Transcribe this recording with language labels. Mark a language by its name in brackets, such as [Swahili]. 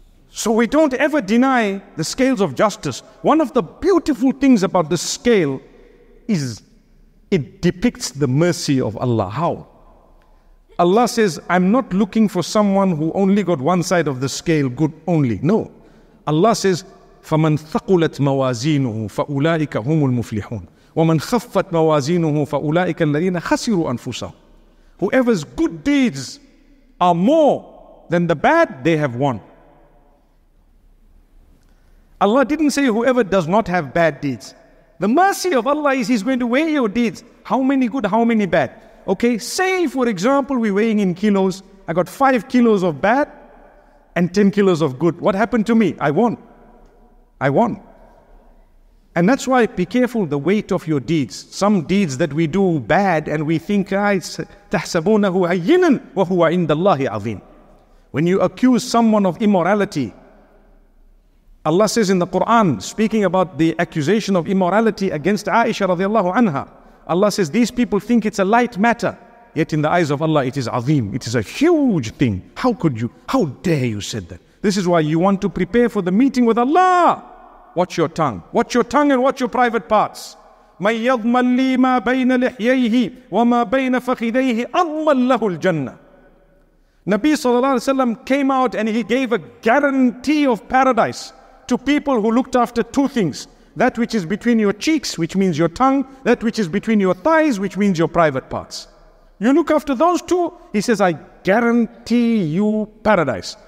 [English] So we don't ever deny the scales of justice. One of the beautiful things about the scale is it depicts the mercy of Allah. How? Allah says, I'm not looking for someone who only got one side of the scale, good only. No. Allah says, [Arabic] فَمَنْ ثَقُلَتْ مَوَازِينُهُ فَأُولَٰئِكَ هُمُ الْمُفْلِحُونَ وَمَنْ خَفَّتْ مَوَازِينُهُ فَأُولَٰئِكَ الَّذِينَ خَسِرُوا أَنفُسَهُ. [English] Whoever's good deeds are more than the bad, they have won. Allah didn't say whoever does not have bad deeds. The mercy of Allah is He's going to weigh your deeds. How many good, how many bad? Okay, say for example, we're weighing in kilos. I got 5 kilos of bad and 10 kilos of good. What happened to me? I won. And that's why be careful the weight of your deeds. Some deeds that we do bad and we think, it's [Arabic] تَحْسَبُونَهُ عَيِّنًا وَهُوَ عِنْدَ اللَّهِ عَظِيمٌ. [English] When you accuse someone of immorality, Allah says in the Quran, speaking about the accusation of immorality against Aisha radiallahu anha, Allah says, these people think it's a light matter, yet in the eyes of Allah, it is azim. It is a huge thing. How could you? How dare you said that? This is why you want to prepare for the meeting with Allah. Watch your tongue. Watch your tongue and watch your private parts. [Arabic] من يضمن لي ما بين لحييه وما بين فخذيه أضمن له الجنة. [English] Nabi sallallahu alaihi wasallam came out and he gave a guarantee of paradise to people who looked after two things: that which is between your cheeks, which means your tongue; that which is between your thighs, which means your private parts. You look after those two, he says, I guarantee you paradise.